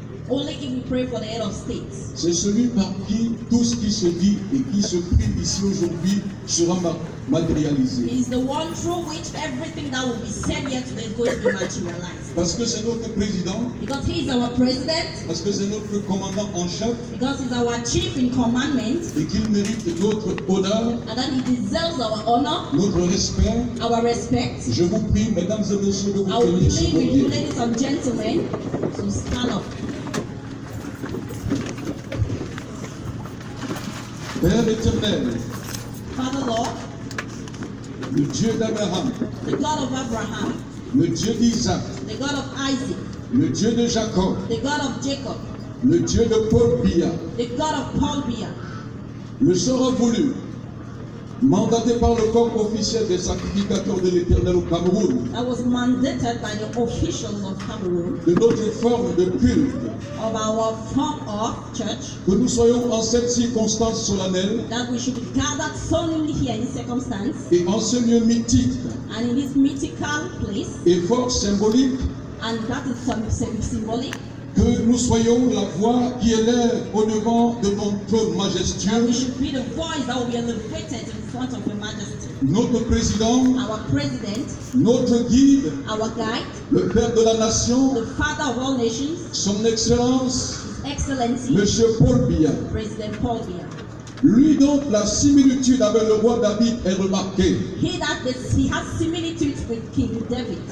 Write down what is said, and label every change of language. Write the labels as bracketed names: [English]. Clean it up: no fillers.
[English] Only if we pray for the head of state. [French] C'est celui par qui tout ce qui se dit et qui se prie ici aujourd'hui sera matérialisé. [English] He's the one through which everything that will be said here today is going to be materialized. [French] Parce que c'est notre président. [English] Because he is our president. [French] Parce que c'est notre commandant en chef. [English] Because he's our chief in commandment. [French] Et qu'il mérite notre honneur. [English] And that he deserves our honor. [French] Notre respect. [English] Our respect. [French] Je vous prie, mesdames et messieurs, de vous tenir sur vos pieds. [English] Ladies and gentlemen, to stand up. [French] Père éternel. [English] Father Lord. [French] Le Dieu d'Abraham. [English] The God of Abraham. [French] Le Dieu d'Isaac. [English] The God of Isaac. [French] Le Dieu de Jacob. [English] The God of Jacob. [French] Le Dieu de Paul Biya. [English] The God of Paul Biya. [French] Le sera voulu. Mandaté par le corps officiel des sacrificateurs de l'Éternel au Cameroun. [English] I was mandated by the officials of Cameroon. [French] De notre forme de culte. [English] Of our form of church. [French] Que nous soyons en cette circonstance solennelle. [English] That we should be gathered solemnly here in this circumstance. [French] Et en ce lieu mythique. [English] And in this mythical place. [French] Et fort symbolique. [English] And that is symbolic. [French] Que nous soyons la voix qui élève au devant de ton trône majestueux. [English] We should be the voice that will be elevated in front of your majesty. [French] Notre président. [English] Our president. [French] Notre guide. [English] Our guide. [French] Le père de la nation. [English] The father of all nations. [French] Son excellence. [English] Excellency. [French] Monsieur Paul Biya. [English] President Paul Biya. [French] Lui donc la similitude avec le roi David est remarquée. [English] He that he has similitude with King David.